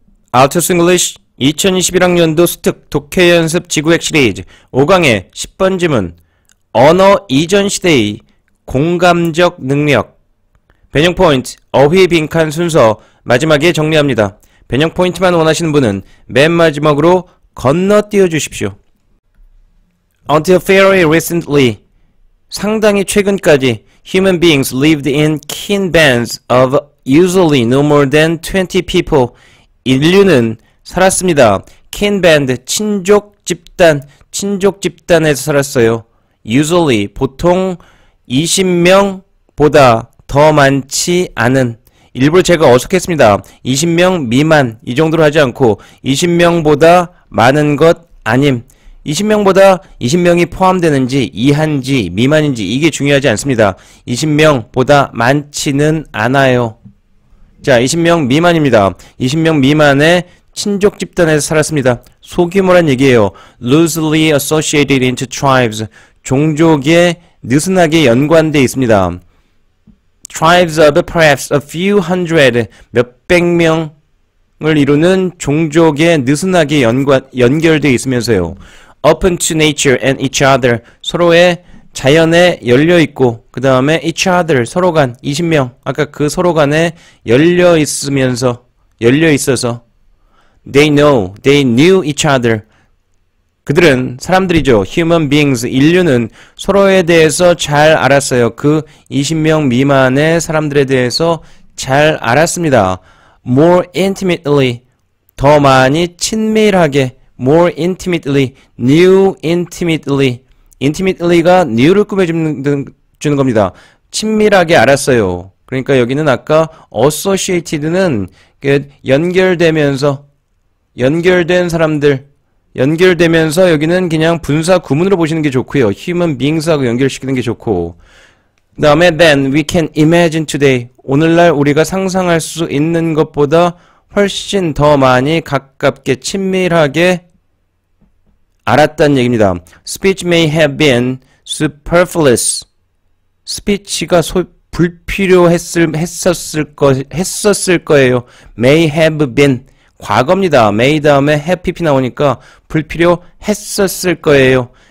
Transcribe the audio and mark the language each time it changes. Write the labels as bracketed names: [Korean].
[Korean] 아우투스 잉글리시 2021학년도 수특 독해연습 지구핵 시리즈 5강의 10번 지문 언어 이전 시대의 공감적 능력 변형 포인트 어휘 빈칸 순서 마지막에 정리합니다. 변형 포인트만 원하시는 분은 맨 마지막으로 건너뛰어 주십시오. [English] Until very recently, [Korean] 상당히 최근까지 [English] human beings lived in kin bands of usually no more than 20 people. [Korean] 인류는 살았습니다. kin band, 친족 집단, 친족 집단에서 살았어요. usually, 보통 20명보다 더 많지 않은. 일부러 제가 어색했습니다. 20명 미만, 이 정도로 하지 않고 20명보다 많은 것 아님. 20명보다 20명이 포함되는지 이한지 미만인지 이게 중요하지 않습니다. 20명보다 많지는 않아요. 자, 20명 미만입니다. 20명 미만의 친족 집단에서 살았습니다. 소규모란 얘기예요. [English] loosely associated into tribes. [Korean] 종족에 느슨하게 연관되어 있습니다. [English] tribes of perhaps a few hundred. [Korean] 몇백 명을 이루는 종족에 느슨하게 연결되어 있으면서요. [English] open to nature and each other. [Korean] 서로의 자연에 열려있고 그 다음에 each other 서로간 20명 아까 그 서로간에 열려있으면서 열려있어서 [English] they know they knew each other [Korean] 그들은 사람들이죠 human beings 인류는 서로에 대해서 잘 알았어요 그 20명 미만의 사람들에 대해서 잘 알았습니다 more intimately 더 많이 친밀하게 [English] more intimately knew intimately [Korean] intimately가 new를 꾸며주는 겁니다. 친밀하게 알았어요. 그러니까 여기는 아까 associated는 연결되면서, 연결된 사람들, 연결되면서 여기는 그냥 분사 구문으로 보시는 게 좋고요. human beings하고 연결시키는 게 좋고. 그 다음에 [English] then we can imagine today. [Korean] 오늘날 우리가 상상할 수 있는 것보다 훨씬 더 많이 가깝게, 친밀하게 알았다는 얘기입니다. [English] Speech may have been superfluous. [Korean] 스피치가 불필요했었을 거예요. [English] May have been. [Korean] 과거입니다. May 다음에 have pp 나오니까 불필요했었을 거예요.